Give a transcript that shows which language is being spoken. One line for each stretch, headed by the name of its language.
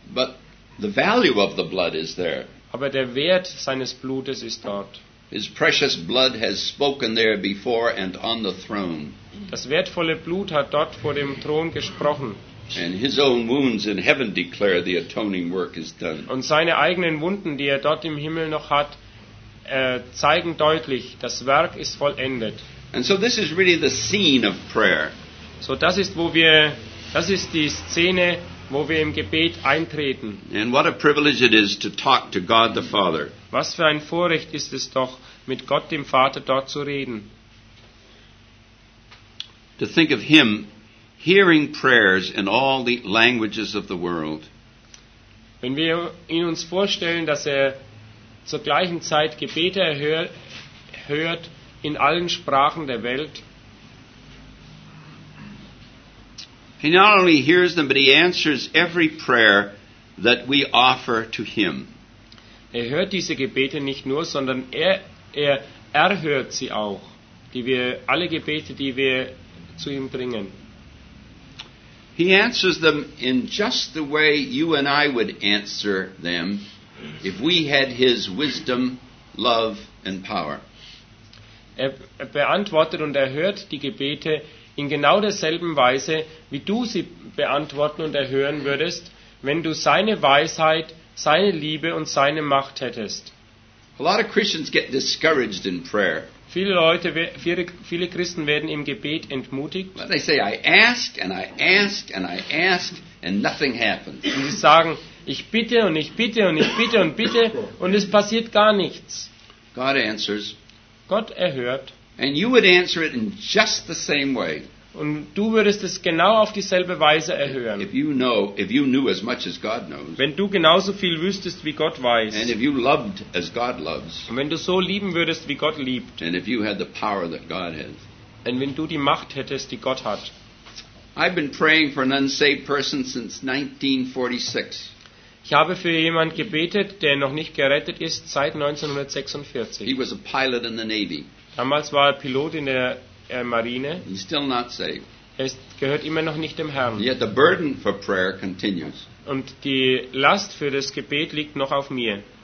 English: But the value of the blood is there.
German: Aber der Wert seines Blutes ist dort.
English: His precious blood has spoken there before and on the throne.
German: Das wertvolle Blut hat dort vor dem Thron gesprochen.
English: And his own wounds in heaven declare the atoning work is done.
German: Und seine eigenen Wunden, die er dort im Himmel noch hat, zeigen deutlich, das Werk ist vollendet.
English: And so this is really the scene of prayer.
German: So das ist die Szene, wo wir im Gebet eintreten.
English: And what a privilege it is to talk to God the Father.
German: Was für ein Vorrecht ist es doch, mit Gott dem Vater dort zu reden.
English: To think of him hearing prayers in all the languages of the world.
German: Wenn wir ihn uns vorstellen, dass er zur gleichen Zeit Gebete hört in allen Sprachen der Welt.
English: He not only hears them, but he answers every prayer that we offer to him.
German: Er hört diese Gebete nicht nur, sondern er erhört sie auch, alle Gebete, die wir zu ihm bringen.
English: He answers them in just the way you and I would answer them if we had his wisdom, love and power.
German: Er beantwortet und erhört die Gebete in genau derselben Weise, wie du sie beantworten und erhören würdest, wenn du seine Weisheit, seine Liebe und seine Macht hättest.
English: A lot of Christians get discouraged in prayer.
German: Viele Christen werden im Gebet entmutigt.
English: They say, I ask and I ask and I ask and nothing happens.
German: Und sie sagen, ich bitte und ich bitte und ich bitte und bitte und es passiert gar nichts.
English: God answers.
German: Gott erhört.
English: And you would answer it in just the same way.
German: Und du würdest es genau auf dieselbe Weise erhören.
English: If you knew as much as God knows.
German: Wenn du genauso viel wüsstest, wie Gott weiß.
English: And if you loved as God loves.
German: Und wenn du so lieben würdest, wie Gott liebt.
English: And if you had the power that God has.
German: Und wenn du die Macht hättest, die Gott hat.
English: I've been praying for an unsaved person since 1946.
German: Ich habe für jemanden gebetet, der noch nicht gerettet ist, seit 1946.
English: He was a pilot in the Navy.
German: Damals war er Pilot in der Marine.
English: He's still not saved.
German: Er gehört immer noch nicht dem Herrn.
English: Yet the burden for prayer continues.
German: Und die Last für das Gebet liegt noch auf mir.